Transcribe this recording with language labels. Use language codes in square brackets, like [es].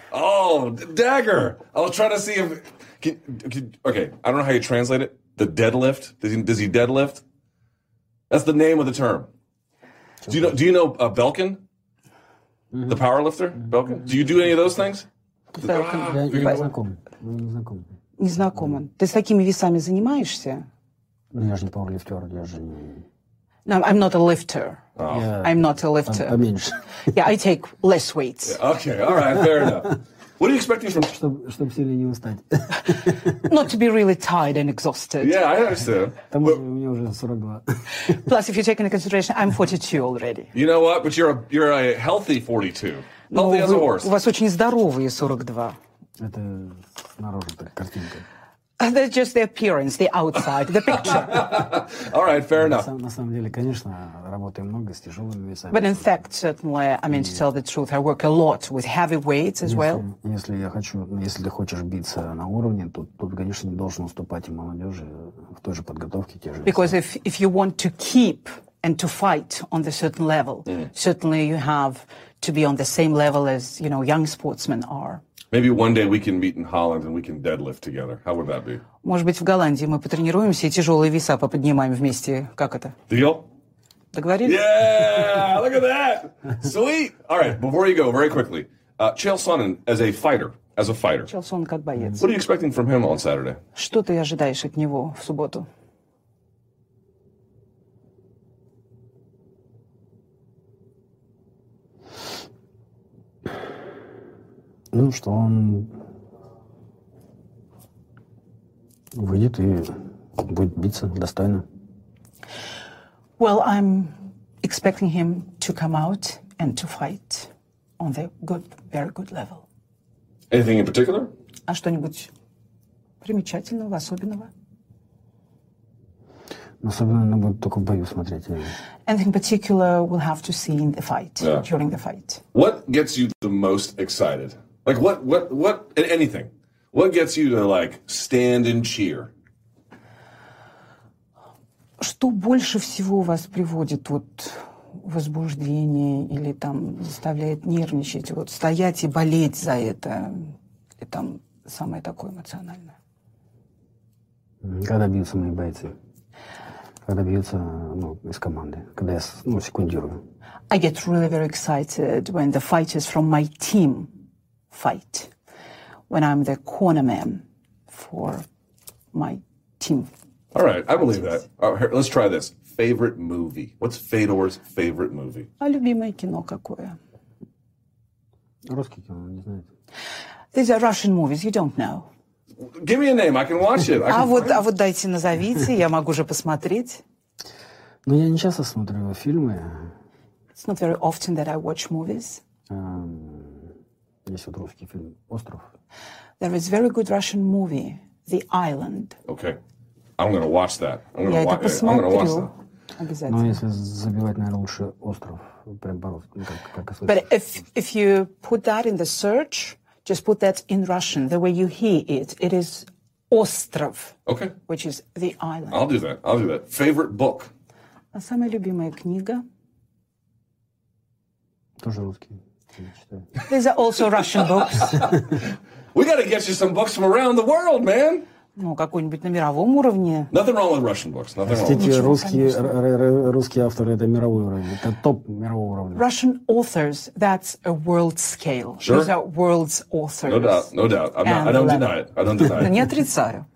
[en] Oh, dagger! I was trying to see if. Okay, I don't know how you translate it. The deadlift. Does he deadlift? That's the name of the term. Do you know Belkin? Mm-hmm. The power lifter? Belkin? Mm-hmm. Do you do any of those things? Belkin. [ru] Не знаком. Ты с такими весами занимаешься? Ну, я же не пауэрлифтер, я же не... [en] No, I'm not a lifter. Oh. I'm not a lifter. I'm [ru] поменьше. [en] Yeah, I take less weights. Yeah, okay, all right, fair enough. What are you expecting from... [ru] Чтобы сильно не устать. [en] Not to be really tired and exhausted. Yeah, I understand. [ru] Там уже, у меня уже 42. [en] Plus, if you take into consideration, I'm 42 already. You know what? But you're a healthy 42. Healthy as a horse. [ru] У вас очень здоровые 42. Это снаружи, так, картинка. [en] That's just the appearance, the outside, the picture. All right, fair enough. But in fact, certainly, I mean, to tell the truth, I work a lot with heavy weights as well. [ru] Если ты хочешь биться на уровне, то, конечно, не должен уступать и молодежи в той же подготовке, те же. [en] Because if you want to keep and to fight on the certain level, certainly you have to be on the same level as, you know, young sportsmen are. Maybe one day we can meet in Holland and we can deadlift together. How would that be? [ru] Может быть, в Голландии мы потренируемся и тяжелые веса поподнимаем вместе. Как это? [en] Deal? [ru] Договорились? [en] Yeah! Look at that! Sweet! All right, before you go, very quickly. Chael Sonnen, as a fighter. [ru] Chael Sonnen, как боец. [en] What are you expecting from him on Saturday? [ru] Что ты ожидаешь от него в субботу? Ну, что он выйдет и будет биться достойно. [en] Well, I'm expecting him to come out and to fight on the good, very good level. Anything in particular? [ru] А что-нибудь примечательного, особенного? Особенно надо будет только в бою смотреть. [en] Anything particular we'll have to see in the fight, yeah. During the fight. What gets you the most excited? Like what, anything? What gets you to like stand and cheer? [ru] Что больше всего вас приводит вот возбуждение или там заставляет нервничать, вот стоять и болеть за это, и там самое такое эмоциональное? Когда бьются мои бойцы, когда бьются из команды, когда я секундирую. [en] I get really very excited when the fighters from my team fight, when I'm the corner man for my team. All right, I believe that. All right, let's try this. Favorite movie. What's Fedor's favorite movie? [ru] А любимое кино какое? Русский кино, не знаете. [en] These are Russian movies, you don't know. Give me a name, I can watch it. [ru] А вот дайте назовите, я могу уже посмотреть. Ну, я не часто смотрю фильмы. [en] It's not very often that I watch movies. [ru] Есть вот русский фильм «Остров». [en] There is very good Russian movie, «The Island». Okay. I'm going to watch that. But if you put that in the search, just put that in Russian, the way you hear it, it is «Остров». Okay. Which is «The Island». I'll do that. Favorite book? [ru] А самая любимая книга? Тоже русский. [en] These are also Russian books. We got to get you some books from around the world, man. [ru] Ну, какой-нибудь на мировом уровне. [en] Nothing wrong with Russian books. [ru] Простите, русские авторы — это мировой уровень. Это топ мирового уровня. [en] Russian authors, that's a world scale. Sure. These are world's authors. No doubt. I don't deny it. [ru] Не отрицаю.